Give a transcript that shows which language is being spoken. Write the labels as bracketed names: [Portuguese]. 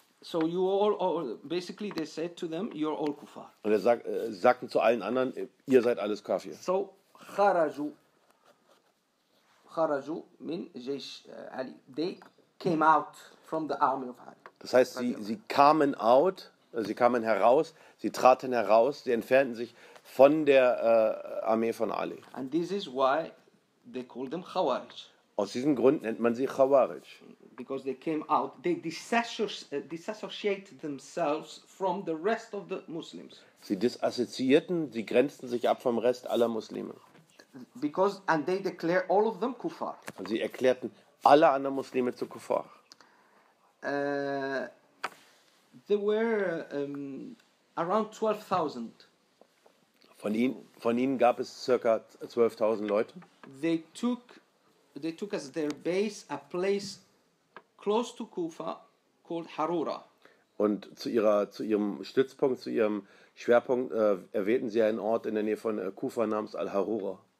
[English] So you all basically they said to them, you're all Kuffar. [German] Und sie sagten zu allen anderen, ihr seid alles Kafir. [Arabic] So kharaju min jaysh Ali. [English] They came out from the army of Ali. [German] Das heißt, sie kamen heraus, sie traten heraus, sie entfernten sich von der Armee von Ali. [English] And this is why they call them Khawarij. [German] Aus diesem Grund nennt man sie Khawarij. [English] Because they came out, they disassociate themselves from the rest of the Muslims. [German] Sie disassoziierten, sie grenzten sich ab vom Rest aller Muslime. [English] Because and they declare all of them kuffar. [German] Und sie erklärten alle anderen Muslime zu kuffar. [English] There were around 12,000. [German] Von ihnen gab es circa 12,000 Leute. [English] They took as their base a place close to Kufa called Harura. [German] Und zu ihrem Stützpunkt, zu ihrem Schwerpunkt erwähnten sie einen Ort in der Nähe von Kufa namens Al-Harura.